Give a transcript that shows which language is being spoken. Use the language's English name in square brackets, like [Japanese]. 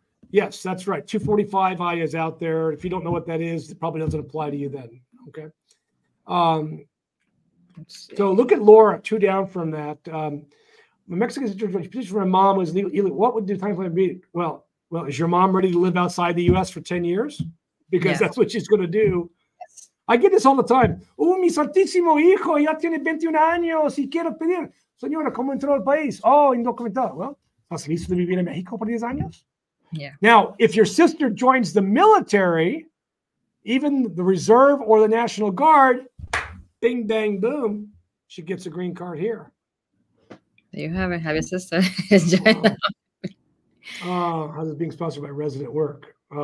[English] Yes, that's right. 245i is out there. If you don't know what that is, it probably doesn't apply to you then. Okay. So look at Laura, two down from that. My Mexican situation for my mom was legal. What would the time plan be? Well, is your mom ready to live outside the U.S. for 10 years? Because that's what she's going to do. I get this all the time. [Spanish] Oh, mi santísimo hijo, ya tiene 21 años y quiero pedir. Señora, ¿cómo entró al país? Oh, indocumentado. Well, ¿estás listo de vivir en México por 10 años? [English] Yeah. Now, if your sister joins the military, even the reserve or the National Guard, bing, bang, boom, she gets a green card here. There you have it. Have your sister join. Oh, how's it being sponsored by resident work?